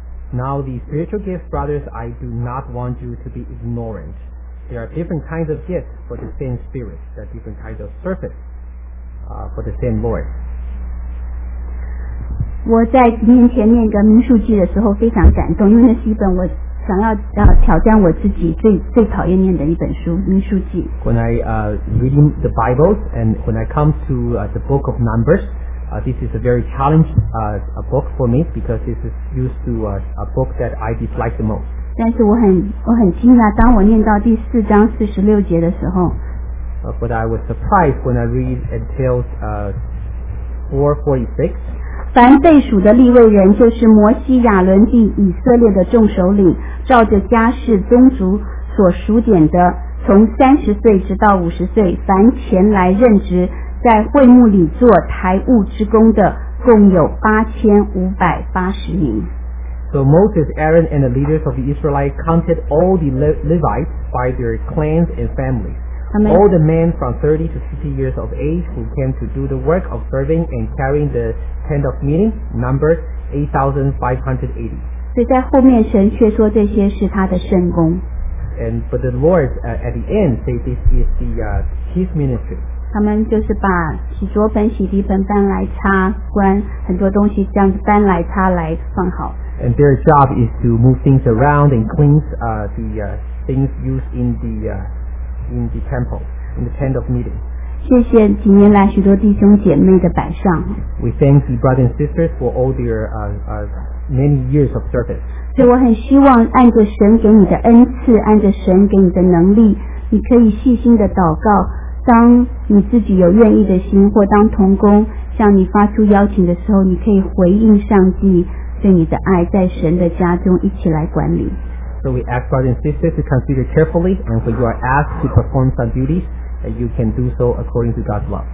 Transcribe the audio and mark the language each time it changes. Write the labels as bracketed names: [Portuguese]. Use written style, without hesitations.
[English] Now the spiritual gifts, brothers, I do not want you to be ignorant. There are different kinds of gifts for the same spirit, there are different kinds of service, for the same Lord. [Chinese] 我在几年前念个民数记的时候非常感动，因为那是一本我想要挑战我自己最讨厌念的一本书，民数记。 [English] When I reading the Bibles and when I come to the book of Numbers, this is a very challenging book for me because this is used to a book that I dislike the most. [Chinese] 但是我很惊讶，当我念到第四章四十六节的时候。 [English] But I was surprised when I read until 4:46. [Chinese] 凡被属的利未人，就是摩西、亚伦并以色列的众首领，照着家世宗族所属点的，从三十岁直到五十岁，凡前来任职在会幕里做台务之工的，共有8580名。 [English] So Moses, Aaron, and the leaders of the Israelites counted all the Levites by their clans and families. All the men from 30 to 50 years of age who came to do the work of serving and carrying the tent of meeting, number 8,580. [Chinese] 所以在后面神却说这些是他的圣工。 [English] And but the Lord at the end say this is the his ministry. [Chinese] 他们就是把洗濯盆、洗涤盆搬来擦关，很多东西这样子搬来擦来放好。 [English] And their job is to move things around and clean the things used in theIn the temple, in the tent of meeting. [Chinese] 谢谢几年来许多弟兄姐妹的摆上。 [English] We thank the brothers and sisters for all their many years of service. [Chinese] 所以我很希望按着神给你的恩赐，按着神给你的能力，你可以细心的祷告。当你自己有愿意的心，或当同工向你发出邀请的时候，你可以回应上帝对你的爱，在神的家中一起来管理。 [English] So we ask brothers and sisters to consider carefully, and when you are asked to perform some duties, you can do so according to God's love.